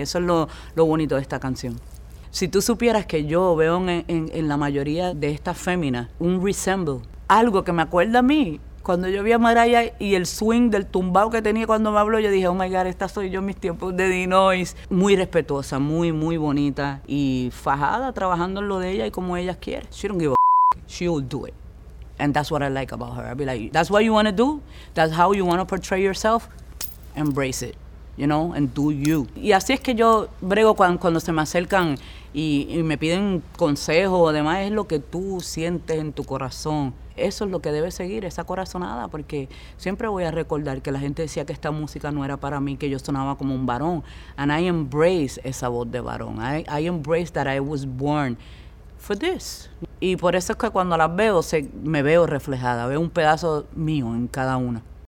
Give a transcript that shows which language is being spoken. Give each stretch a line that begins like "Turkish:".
Spanish: Y eso es lo bonito de esta canción. Si tú supieras que yo veo en la mayoría de estas féminas un resemble, algo que me acuerda a mí. Cuando yo vi a Mariah y el swing del tumbao que tenía cuando me habló, yo dije,
English: oh my God,
Spanish: esta soy yo en mis tiempos de Dinois. Muy respetuosa, muy, muy bonita y fajada, trabajando en lo de ella y como ella quiere.
English: She don't give a f***. She'll do it. And that's what I like about her. I'll be like, that's what you want to do? That's how you want to portray yourself? Embrace it, you know, and do you.
Spanish: Y así es que yo brego cuando se me acercan y me piden consejo o demás, es lo que tú sientes en tu corazón. Eso es lo que debe seguir, esa corazonada, porque siempre voy a recordar que la gente decía que esta música no era para mí, que yo sonaba como un varón.
English: And I embrace
Spanish: esa voz de varón.
English: I embrace that I was born for this.
Spanish: Y por eso es que cuando las veo, me veo reflejada, veo un pedazo mío en cada una.